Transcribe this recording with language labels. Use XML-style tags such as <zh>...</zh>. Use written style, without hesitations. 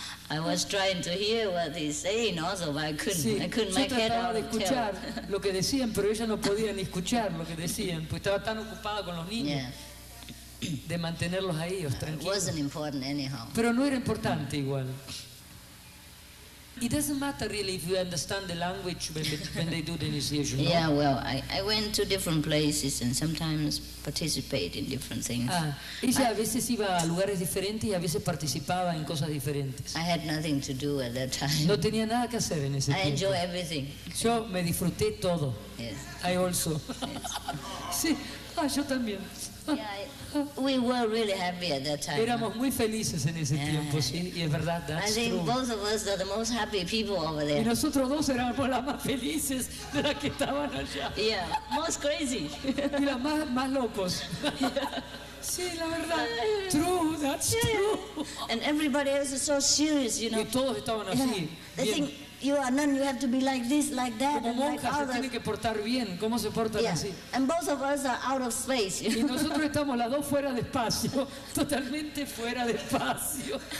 <en>I was trying to hear what he's saying also, but I couldn't make head out.</en> <es>De escuchar lo que decían, pero ella no podía ni escuchar lo que decían, pues estaba tan ocupada con los niños.</es> <en>Yeah.</en> <es>De mantenerlos a ellos tranquilos.</es> <en>It wasn't important anyhow.</en> <es>Pero no era importante igual.</es> <en>It doesn't matter really if you understand the language when they do the initiation.</en> <es>No?</es> <en>Yeah, well, I went to different places and sometimes participate in different things.</en> <es>Ah, ella a veces iba a lugares diferentes y a veces participaba en cosas diferentes.</es> <en>I had nothing to do at that time.</en> <es>No tenía nada que hacer en ese tiempo.</es> <en>I enjoy everything.</en> <es>Yo me disfruté todo.</es> <en>Yes. I also. Yes.</en> <es>Sí. Ah, yo también.</es> <en>Yeah, we were really happy at that time.</en> <es>Éramos muy felices en ese tiempo, sí, y es verdad,</es> <en>that's true. I think both of us are the most happy people over there.</en> <es>Y nosotros dos éramos las más felices de las que estaban allá.</es> <en>Yeah, most crazy.</en> <es>Y las más locos. Sí, la verdad,</es> <en>true, that's true. And everybody else is so serious, you know.</en> <es>Y todos estaban así.</es> <en>They think you are a nun, you have to be like this, like that,</en> <es>como</es> <en>and monja, like others.</en> <es>Se tiene que portar bien. ¿Cómo se portan así?</es> <en>And both of us are out of space.</en> <es>Y nosotros estamos las dos fuera de espacio, totalmente fuera de espacio.</es>